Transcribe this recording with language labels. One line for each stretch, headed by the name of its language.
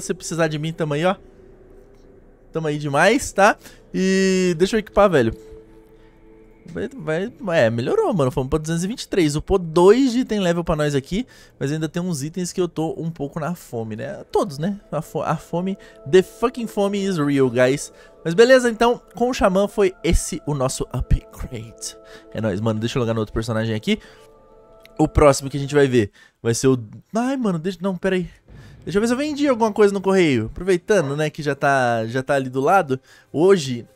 Portuguese: Se precisar de mim, tamo aí, ó. Tamo aí demais, tá? E deixa eu equipar, velho. É, melhorou, mano. Fomos pra 223. Upou dois de item level pra nós aqui. Mas ainda tem uns itens que eu tô um pouco na fome, né? Todos, né? A fome.
English: The fucking fome is real, guys.
Portuguese: Mas beleza, então. Com o Xamã foi esse o nosso upgrade. É nóis, mano. Deixa eu logar no outro personagem aqui. O próximo que a gente vai ver vai ser o... Ai, mano. Deixa... Não, pera aí. Deixa eu ver se eu vendi alguma coisa no correio. Aproveitando, né? Que já tá ali do lado. Hoje...